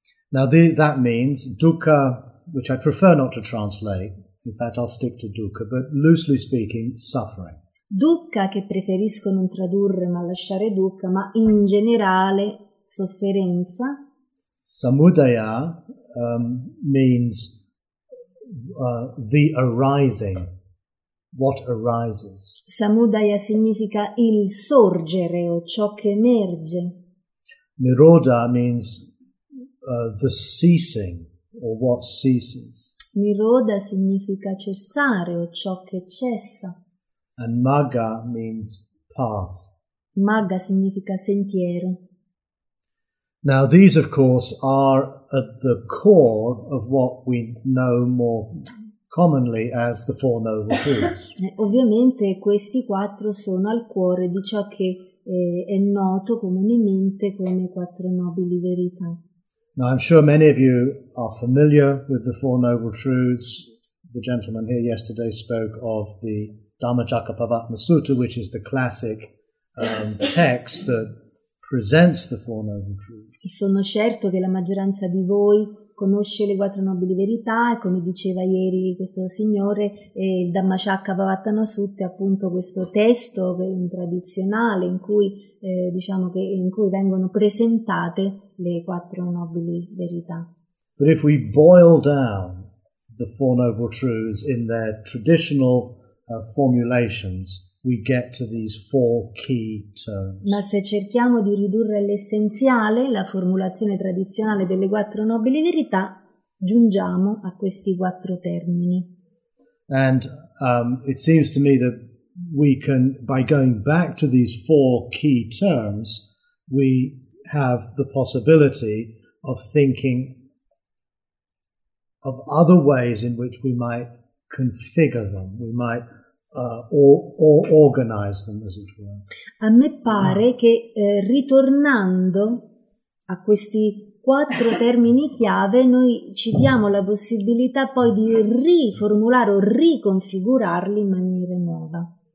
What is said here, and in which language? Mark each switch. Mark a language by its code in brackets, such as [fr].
[en] Now that means Dukkha, which I prefer not to translate, in fact I'll stick to Dukkha, but loosely speaking, suffering. [it] Dukkha, che preferisco non tradurre ma lasciare Dukkha, ma in generale sofferenza. [en] Samudaya means the arising, what arises. [it] Samudaya significa il sorgere o ciò che emerge. [en] Niroda means the ceasing or what ceases. [it] Niroda significa cessare o ciò che cessa. [en] And magga means path. [it] Magga significa sentiero. [en] Now these of course are at the core of what we know more commonly as the Four Noble Truths. [it] Ovviamente questi quattro sono al cuore di ciò che è noto comunemente come quattro nobili verità. [en] Now I'm sure many of you are familiar with the Four Noble Truths. The gentleman here yesterday spoke of the Dhammacakkappavattana Sutta, which is the classic text that presents the Four Noble Truths. [it] E sono certo che la maggioranza di voi conosce le quattro nobili verità, e come diceva ieri questo signore, il Dhammacakkappavattana Sutta è appunto questo testo tradizionale in cui diciamo che in cui vengono presentate le quattro nobili verità. [en] But if we boil down the Four Noble Truths in their traditional formulations, we get to these four key terms. [it] Ma se cerchiamo di ridurre all'essenziale la formulazione tradizionale delle quattro nobili verità, giungiamo a questi quattro termini. [en] And it seems to me that we can, by going back to these four key terms, we have the possibility of thinking of other ways in which we might configure them, we might organize them, as it were. [it] A me pare che ritornando a questi quattro termini chiave, noi ci diamo la possibilità poi di riformulare o riconfigurarli in maniera nuova.